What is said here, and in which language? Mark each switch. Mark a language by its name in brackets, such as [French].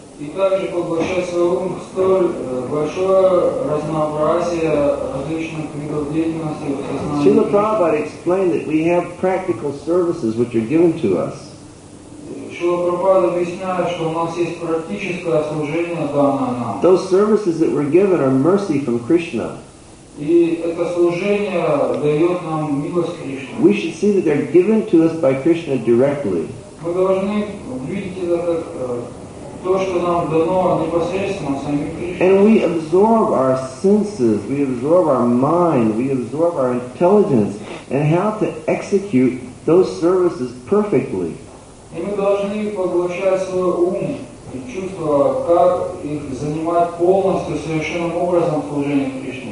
[Russian] И также поглощать свой ум в столь большое разнообразие различных видов деятельности в сознании. [English] Шрила Прабхупада explained that we have practical services which are given to us. [Russian] Шрила Прабхупада объясняет, что у нас есть практическое служение, данное нам. [English] Those services that we're given are mercy from Krishna. [Russian] И это служение дает нам милость Кришны. [English] We should see that they're given to us by Krishna directly. [Russian] Мы должны видеть это как То, что нам дано непосредственно самим Кришной. [English] And we absorb our senses, we absorb our mind, we absorb our intelligence, and how to execute those services perfectly. [Russian] И мы должны поглощать свой ум и чувства, как их занимать полностью совершенным образом в служении Кришне.